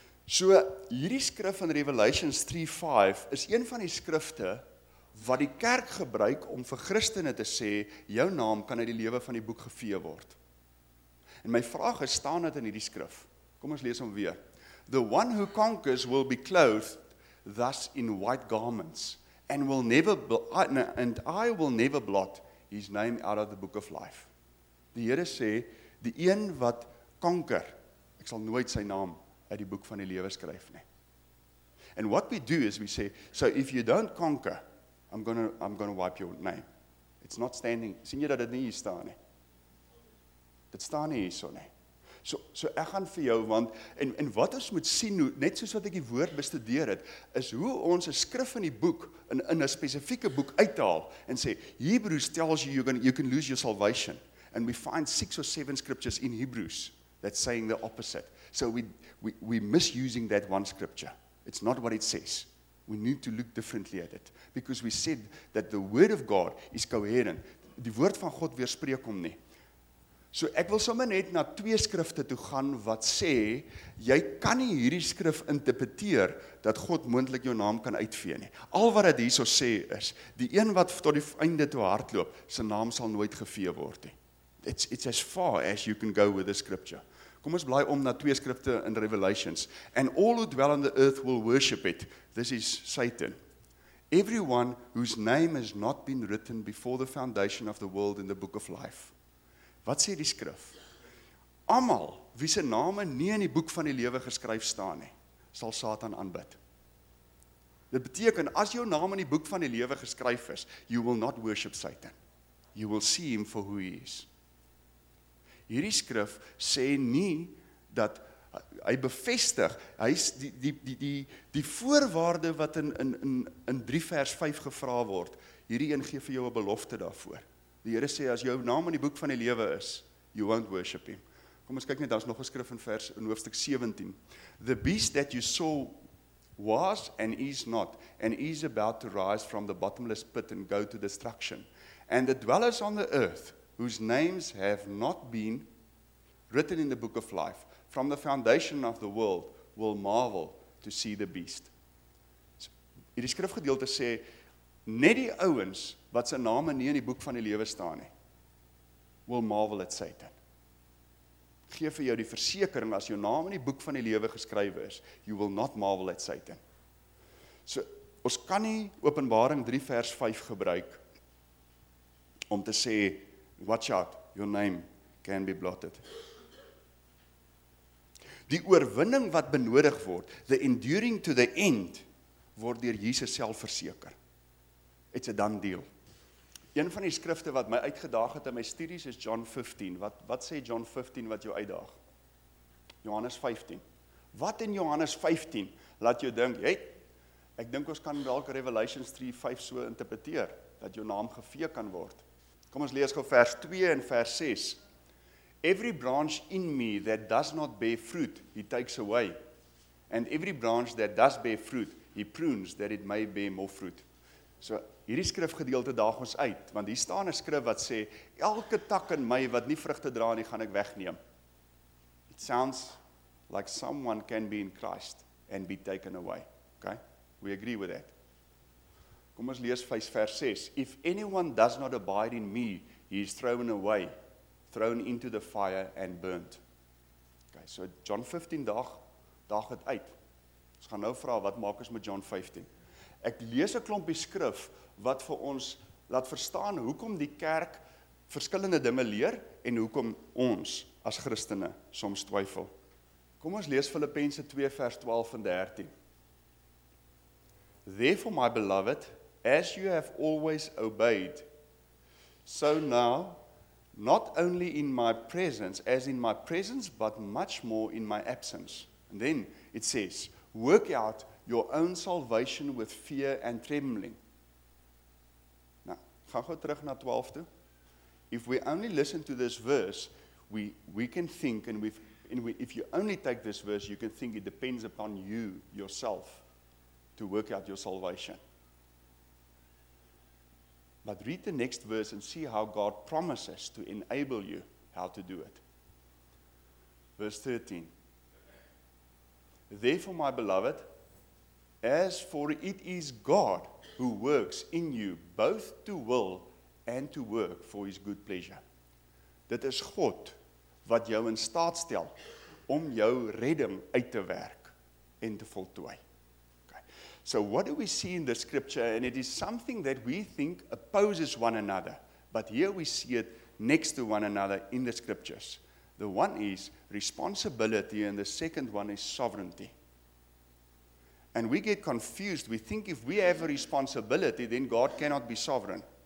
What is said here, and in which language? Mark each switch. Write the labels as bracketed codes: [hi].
[af] So, hierdie skrif van Revelations 3:5 is een van die skrifte wat die kerk gebruik om vir Christene te sê, jou naam kan uit die lewe van die boek gevee word. En my vraag is, staan dit in hierdie skrif? Kom ons lees hom weer. [en] The one who conquers will be clothed thus in white garments, and I will never blot his name out of the book of life. [af] Die Here sê, die een wat conquer, ek sal nooit sy naam uit die boek van die lewe skryf nie. [en] And what we do is we say, so if you don't conquer, I'm gonna wipe your name. It's not standing. [af] Sien jy dat dit nie hier staan nie? Dit staan nie hier so nie. So ek gaan vir jou, want, en wat ons moet sien, net soos wat ek die woord bestudeer het, is hoe ons een skrif in die boek, in een specifieke boek uithaal, en sê, [en] Hebrews tells you you can lose your salvation. And we find 6 or 7 scriptures in Hebrews that's saying the opposite. So we misusing that one scripture. It's not what it says. We need to look differently at it. Because we said that the word of God is coherent. [af] Die woord van God weerspreek hom nie. So ek wil sommer net na 2 skrifte toe gaan wat sê, jy kan nie hierdie skrif interpreteer dat God moontlik jou naam kan uitvee nie. Al wat het hierso sê is, die een wat tot die einde toe hardloop, sy naam sal nooit gevee word nie. [en] It's as far as you can go with the scripture. [af] Kom ons blaai om na 2 skrifte in Revelations. [en] And all who dwell on the earth will worship it. This is Satan. Everyone whose name has not been written before the foundation of the world in the book of life. [af] Wat sê die skrif? Almal wie se name nie in die boek van die lewe geskryf staan nie, sal Satan aanbid. Dit beteken, as jou naam in die boek van die lewe geskryf is, [en] you will not worship Satan. You will see him for who he is. [af] Hierdie skrif sê nie dat hy bevestig, hy is die voorwaarde wat in 3 vers 5 gevra word, hierdie een gee vir jou 'n belofte daarvoor. Die Here sê, as jou naam in die boek van die lewe is, [en] you won't worship him. [af] Kom ons kyk net, daar's nog 'n skrif in hoofstuk 17. [en] The beast that you saw was and is not, and is about to rise from the bottomless pit and go to destruction. And the dwellers on the earth, whose names have not been written in the book of life, from the foundation of the world, will marvel to see the beast. [af] So, hierdie skrifgedeelte sê, Net die ouens wat se name nie in die boek van die lewe staan nie, [en] will marvel at Satan. [af] Gee vir jou die versekering, as jou naam in die boek van die lewe geskrywe is, [en] you will not marvel at Satan. [af] So, ons kan nie Openbaring 3 vers 5 gebruik om te sê, [en] watch out, your name can be blotted. [af] Die oorwinning wat benodig word, [en] the enduring to the end, [af] word deur Jesus self verseker. [en] It's a done deal. [af] Een van die skrifte wat my uitgedaag het in my studies is John 15. Wat sê John 15 wat jou uitdaag? Johannes 15. Wat in Johannes 15 laat jou dink, hey, ek dink ons kan dalk Revelation 3, 5 so interpreteer, dat jou naam gevee kan word. Kom ons lees gou vers 2 en vers 6. [en] Every branch in me that does not bear fruit, he takes away. And every branch that does bear fruit, he prunes that it may bear more fruit. [af] So, hierdie skrifgedeelte daag ons uit, want hier staan 'n skrif wat sê, elke tak in my wat nie vrugte dra nie, gaan ek wegneem. [en] It sounds like someone can be in Christ and be taken away. Okay? We agree with that. [af] Kom ons lees vers 6. [en] If anyone does not abide in me, he is thrown away, thrown into the fire and burnt. [af] Okay, so John 15 daag het uit. Ons gaan nou vra, wat maak ons met John 15? Ek lees 'n klompie skrif wat vir ons laat verstaan hoekom die kerk verskillende dinge leer en hoekom ons as Christene soms twyfel. Kom ons lees Filippense 2 vers 12 en 13. [en] Therefore, my beloved, as you have always obeyed, so now, not only in my presence, as in my presence, but much more in my absence. And then it says, work out your own salvation with fear and trembling. [af] Nou, gaan gou terug na 12 toe. [en] If we only listen to this verse, we can think, if you only take this verse, you can think it depends upon you, yourself, to work out your salvation. But read the next verse and see how God promises to enable you how to do it. Verse 13. Therefore, my beloved, as for it is God who works in you both to will and to work for his good pleasure. [af] Dit is God wat jou in staat stel om jou redding uit te werk en te voltooi. [en] So what do we see in the scripture? And it is something that we think opposes one another. But here we see it next to one another in the scriptures. The one is responsibility and the second one is sovereignty. And we get confused. We think if we have a responsibility, then God cannot be sovereign.